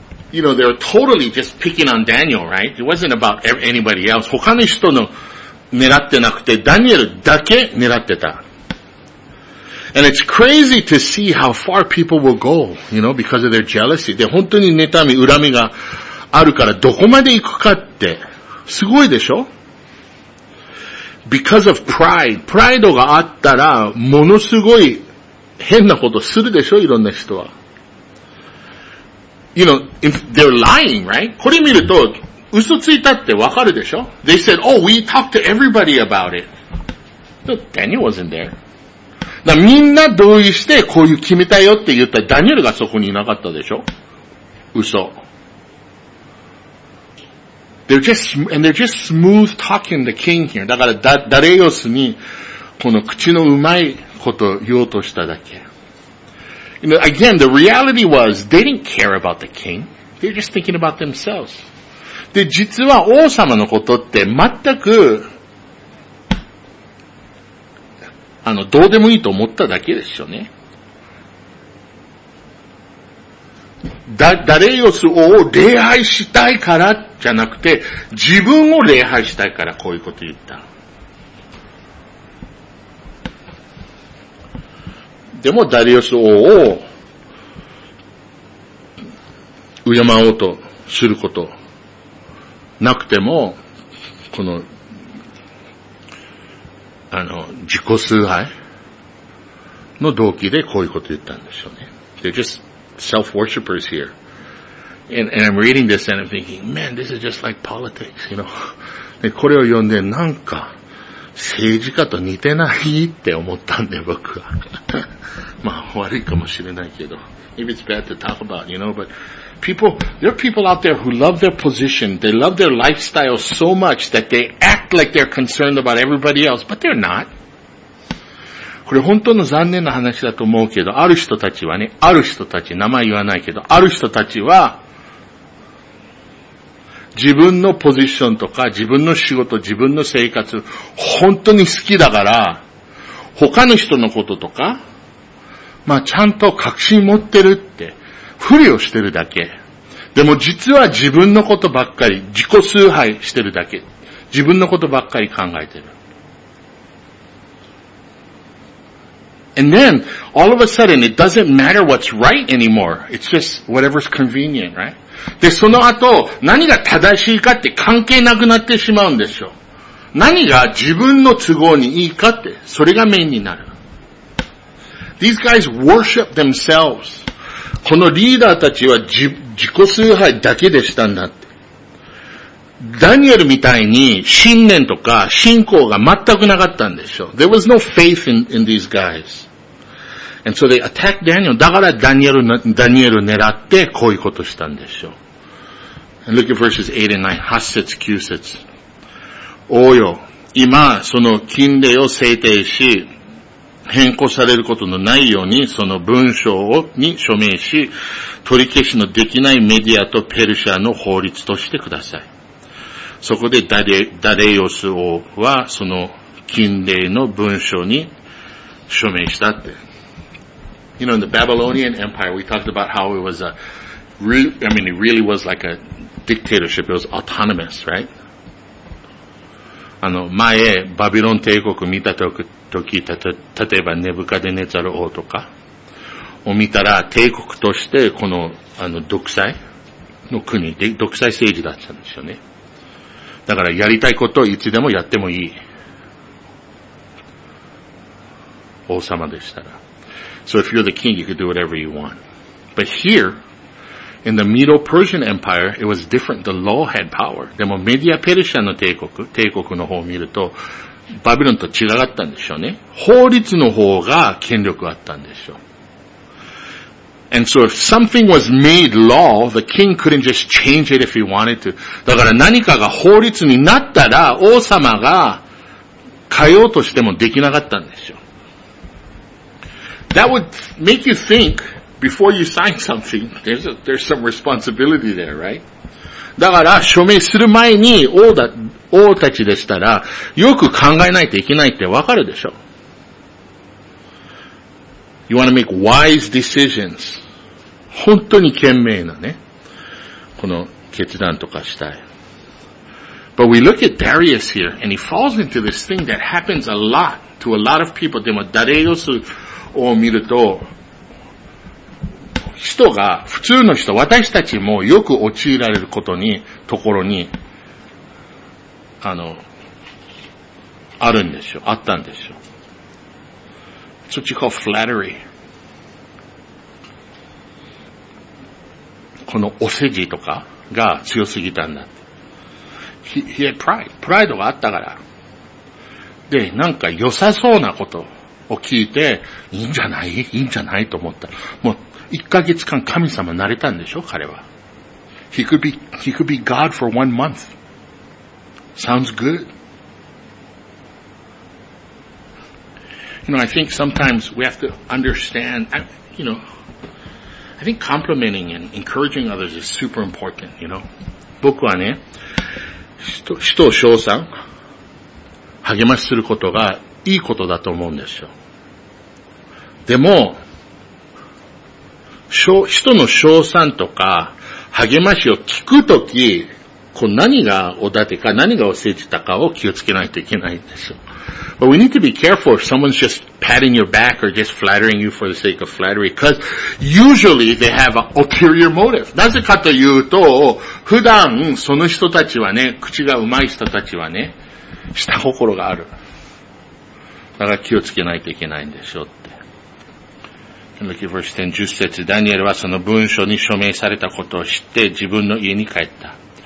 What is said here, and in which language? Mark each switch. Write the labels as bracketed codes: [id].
[en] You know, they're totally just picking on Daniel, right? It wasn't about anybody else. [ja] 他の人の狙ってなくて、ダニエルだけ狙ってた。 [en] And it's crazy to see how far people will go, you know, because of their jealousy. [ja] で、本当に妬み、恨みがあるから、どこまで行くかって、すごいでしょ ? [en] Because of pride. [ja] プライドがあったら、ものすごい変なことするでしょ、いろんな人は。 [en] you know, if they're lying, right? [ja] これ見ると嘘ついたってわかるでしょ? [en] They said, oh, we talked to everybody about it. So Daniel wasn't there. [ja] だみんな同意してこういう決めたよって言ったらダニエルがそこにいなかったでしょ? 嘘。 [en] They're just smooth talking the king here. [ja] だからダレイオスにこの口のうまいことを言おうとしただけ。 [en] You know, again, the reality was they didn't care about the king. They're just thinking about themselves. [ja] で、実は王様のことって全く、どうでもいいと思っただけですよね。ダレイオス王を礼拝したいからじゃなくて、自分を礼拝したいからこういうこと言った。でも、ダリオス王を、敬おうとすること、なくても、この、自己崇拝の動機でこういうこと言ったんですよね。 [en] They're just self-worshippers here. And I'm reading this and I'm thinking, man, this is just like politics, you know. [ja] で、これを読んで、なんか、政治家と似てないって思ったんで、僕は。まあ、悪いかもしれないけど。 [en] Maybe it's bad to talk about, you know, but there are people out there who love their position, they love their lifestyle so much that they act like they're concerned about everybody else, but they're not. [ja] これ本当の残念な話だと思うけど、ある人たちはね、ある人たち、名前言わないけど、ある人たちは、自分のポジションとか、自分の仕事、自分の生活、本当に好きだから、他の人のこととか、まあちゃんと確信持ってるって、ふりをしてるだけ。でも実は自分のことばっかり、自己崇拝してるだけ。自分のことばっかり考えてる。 [en] And then, all of a sudden, it doesn't matter what's right anymore. It's just whatever's convenient, right? [ja] で、その後、何が正しいかって関係なくなってしまうんでしょう。何が自分の都合にいいかって、それがメインになる。 [en] These guys worship themselves. [ja] このリーダーたちは自己崇拝だけでしたんだって。ダニエルみたいに信念とか信仰が全くなかったんでしょう。 [en] There was no faith in these guys. And so they attacked Daniel. [ja] だからダニエル狙ってこういうことしたんでしょう。 [en] And look at verses 8 and 9. [ja] 8節、9節。王よ、今その禁令を制定し、変更されることのないようにその文書に署名し、取り消しのできないメディアとペルシャの法律としてください。そこでダレイオス王はその禁令の文書に署名したって。 [en] You know, in the Babylonian Empire, we talked about how it was it really was like a dictatorship. It was autonomous, right? [ja] 前、バビロン帝国見たとき、例えばネブカデネザル王とかを見たら、帝国としてこの、独裁の国、独裁政治だったんですよね。だから、やりたいことをいつでもやってもいい。王様でしたら。 [en] So if you're the king, you could do whatever you want. But here, in the Medo-Persian Empire, it was different. The law had power. [ja] でもメディアペルシャの帝国の方を見ると、バビロンと違ったんでしょうね。法律の方が権力あったんでしょう。 [en] And so if something was made law, the king couldn't just change it if he wanted to. [ja] だから何かが法律になったら、王様が変えようとしてもできなかったんでしょう。 [en] That would make you think before you sign something, there's some responsibility there, right? [ja] だから署名する前に王たちでしたらよく考えないといけないってわかるでしょ。 [en] You want to make wise decisions. [ja] 本当に賢明なね、この決断とかしたい。 [en] But we look at Darius here, and he falls into this thing that happens a lot to a lot of people. [ja] でもダレイオスを見ると、人が、普通の人、私たちもよく陥られることに、ところに、あるんでしょう。あったんでしょう。 [en] It's what you call flattery. [ja] このお世辞とかが強すぎたんだ。 [en] He had pride. [ja] プライドがあったから。で、なんか良さそうなことを聞いて、いいんじゃないと思った。もう、1ヶ月間神様になれたんでしょ、彼は。 [en] He could be God for one month. Sounds good. You know, I think sometimes we have to understand, you know, I think complimenting and encouraging others is super important, you know. [ja] 僕はね、人を称賛、励ましすることがいいことだと思うんですよ。でも、人の称賛とか、励ましを聞くとき、こう何がおだてか、何がおせちたかを気をつけないといけないんですよ。 [en] But we need to be careful if someone's just patting your back or just flattering you for the sake of flattery, because usually they have an ulterior motive. [ja] なぜかというと、普段その人たちはね、口がうまい人たちはね、下心がある。だから気をつけないといけないんでしょって。 [en] Look at verse 10, [ja] 10節。ダニエルはその文書に署名されたことを知って自分の家に帰った。